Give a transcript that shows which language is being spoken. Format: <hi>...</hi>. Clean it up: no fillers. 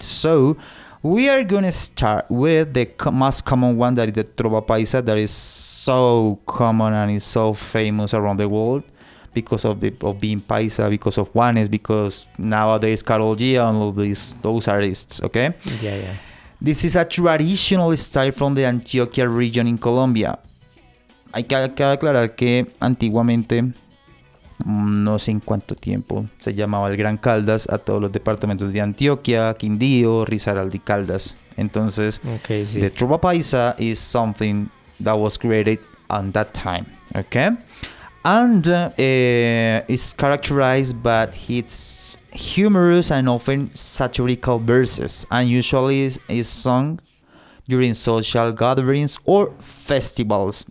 <en>So we are going to start with the most common one, that is the Trova Paisa, that is so common and is so famous around the world because of being Paisa, because of Juanes, because nowadays Karol G and all those artists, okay? Yeah, yeah. This is a traditional style from the Antioquia region in Colombia.</en> <es>Hay que aclarar que antiguamente, no sé en cuánto tiempo, se llamaba el Gran Caldas a todos los departamentos de Antioquia, Quindío, Risaralda y Caldas. Entonces, okay, sí.</es> <en>The Trova Paisa is something that was created on that time, okay? And it's characterized by its humorous and often satirical verses, and usually is sung during social gatherings or festivals.</en>